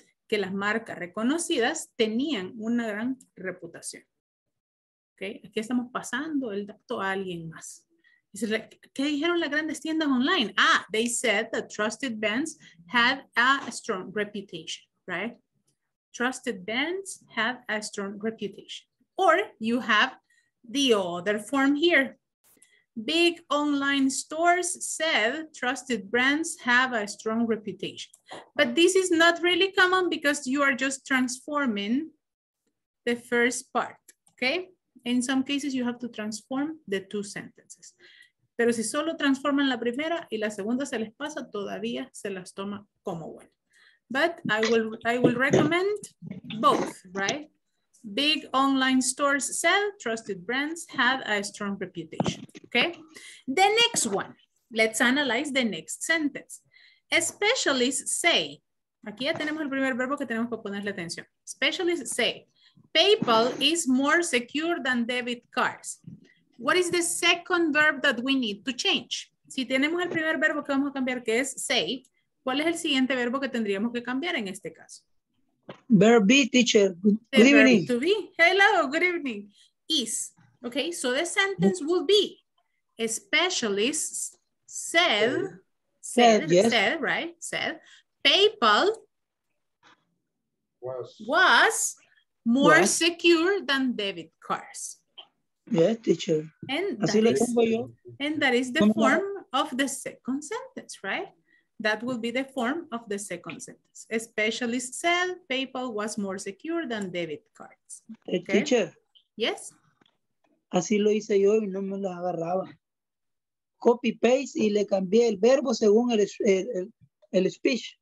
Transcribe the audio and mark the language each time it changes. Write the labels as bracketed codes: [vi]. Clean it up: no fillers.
[es] Que las marcas reconocidas tenían una gran reputación. Okay, aquí estamos pasando el dato a alguien más. ¿Qué dijeron las grandes tiendas online? [en] Ah, they said that trusted brands had a strong reputation, right? Trusted brands had a strong reputation. Or you have the other form here. Big online stores said trusted brands have a strong reputation. But this is not really common, because you are just transforming the first part, okay? In some cases, you have to transform the two sentences. [es] Pero si solo transforman la primera y la segunda se les pasa, todavía se las toma como bueno. [en] But I will recommend both, right? Big online stores sell, trusted brands have a strong reputation, okay? The next one, let's analyze the next sentence. Specialists say, [es] aquí ya tenemos el primer verbo que tenemos que ponerle atención. [en] Specialists say, PayPal is more secure than debit cards. What is the second verb that we need to change? [es] Si tenemos el primer verbo que vamos a cambiar, que es say, ¿cuál es el siguiente verbo que tendríamos que cambiar en este caso? [en] Verb be, teacher. Good evening. To be. Hello, good evening. Is. Okay, so the sentence would be, specialists said said, right? Said PayPal was more secure than debit cards. Yes, teacher. And that, así is, lo yo. And that is the form of the second sentence, right? That will be the form of the second sentence. Especially said PayPal was more secure than debit cards. Okay? Teacher. Yes. [es] Así lo hice yo y no me los agarraba. Copy paste y le cambié el verbo según el speech.